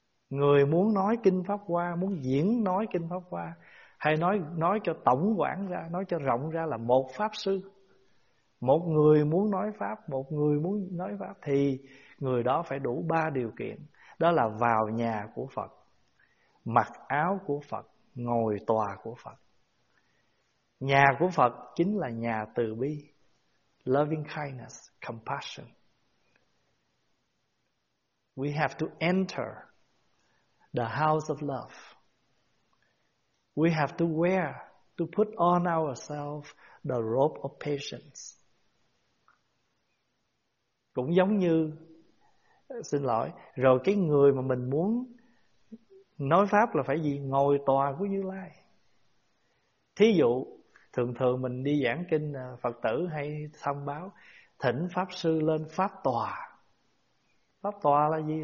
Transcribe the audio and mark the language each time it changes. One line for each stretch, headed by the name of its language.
Vietnamese: Người muốn nói kinh Pháp Hoa, muốn diễn nói kinh Pháp Hoa, hay nói cho tổng quản ra, nói cho rộng ra là một pháp sư, một người muốn nói pháp, một người muốn nói pháp, thì người đó phải đủ ba điều kiện. Đó là vào nhà của Phật, mặc áo của Phật, ngồi tòa của Phật. Nhà của Phật chính là nhà từ bi,
English: loving kindness, compassion. We have to enter the house of love. We have to wear, to put on ourselves the robe of patience.
Vietnamese: Cũng giống như, xin lỗi, rồi cái người mà mình muốn nói pháp là phải gì? Ngồi tòa của Như Lai. Thí dụ, thường thường mình đi giảng kinh Phật tử hay thông báo thỉnh pháp sư lên pháp tòa. Pháp tòa là gì?